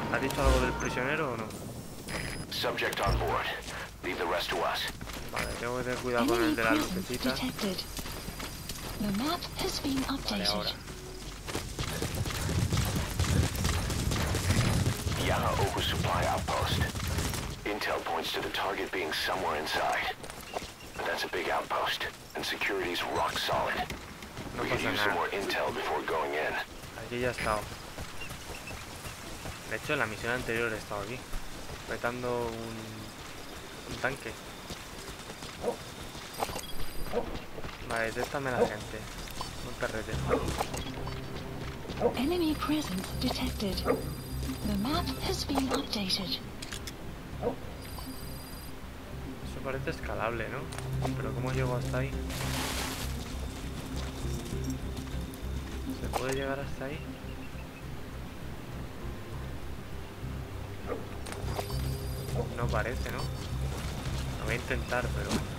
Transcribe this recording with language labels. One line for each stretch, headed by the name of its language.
Spanish: ¿Ha dicho algo del prisionero o no?
English: Subject on board. Leave the rest to us.
Spanish: Vale, tengo que tener cuidado con el de la lucecita.
English: The map has been updated.
Spanish: Vale, ahora.
English: Yara Oku Supply Outpost. Intel points to the target being somewhere inside. But that's a big outpost, and security's rock solid.
Spanish: No pasa nada.
English: We could use some more intel before going in.
Spanish: Aquí ya he estado. De hecho, en la misión anterior he estado aquí. Petando un tanque. Vale, detéctame la gente. Un perrete.
English: Enemy presence detected. The map has been updated.
Spanish: Eso parece escalable, ¿no? Pero ¿cómo llego hasta ahí? ¿Se puede llegar hasta ahí? No parece, ¿no? Lo voy a intentar, pero...